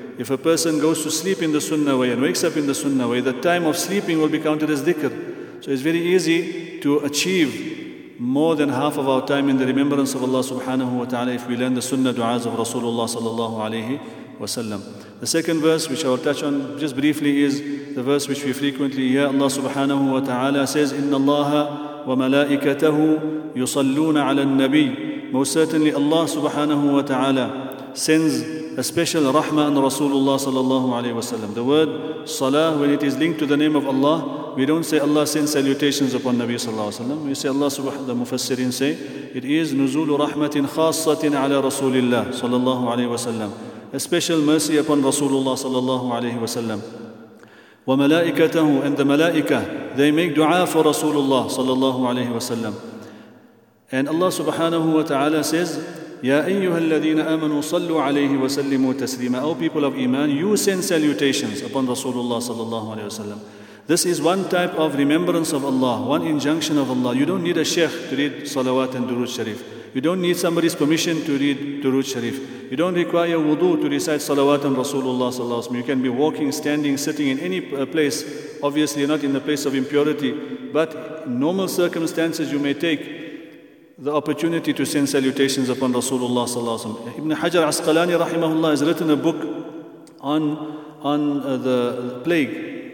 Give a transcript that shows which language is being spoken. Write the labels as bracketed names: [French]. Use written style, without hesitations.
[English] If a person goes to sleep in the sunnah way and wakes up in the sunnah way, the time of sleeping will be counted as dhikr. So it's very easy to achieve more than half of our time in the remembrance of Allah subhanahu wa ta'ala if we learn the sunnah du'as of Rasulullah sallallahu alayhi wa sallam. The second verse which I will touch on just briefly is the verse which we frequently hear. Allah subhanahu wa ta'ala says, [Arabic] إِنَّ اللَّهَ وَمَلَائِكَتَهُ يُصَلُّونَ عَلَى النَّبِيِّ. [English] Most certainly Allah subhanahu wa ta'ala sends a special rahmah on Rasulullah sallallahu alayhi wa sallam. The word salah, when it is linked to the name of Allah, we don't say Allah sends salutations upon Nabi sallallahu alayhi wa sallam. We say Allah subhanahu wa ta'ala, the mufassirin say, it is [Arabic] نُزُولُ رَحْمَةٍ خَاصَّةٍ عَلَى رَسُولِ اللَّهِ [English] sallallahu alayhi wa sallam. A special mercy upon Rasulullah sallallahu alayhi wa sallam. وَمَلَائِكَتَهُ, and the malaika, they make dua for Rasulullah sallallahu alayhi wa sallam. And Allah subhanahu wa ta'ala says, [Arabic] يَا أَيُّهَا الَّذِينَ آمَنُوا صَلُّوا عَلَيْهِ وَسَلِّمُوا تَسْلِيمًا. [English] O people of Iman, you send salutations upon Rasulullah sallallahu alayhi wa sallam. This is one type of remembrance of Allah, one injunction of Allah. You don't need a sheikh to read salawat and durood sharif. You don't need somebody's permission to read durood sharif. You don't require wudu to recite salawat on Rasulullah sallallahu alayhi wa sallam. You can be walking, standing, sitting in any place, obviously not in the place of impurity, but in normal circumstances you may take the opportunity to send salutations upon Rasulullah sallallahu alayhi wa sallam. Ibn Hajar Asqalani rahimahullah has written a book on the plague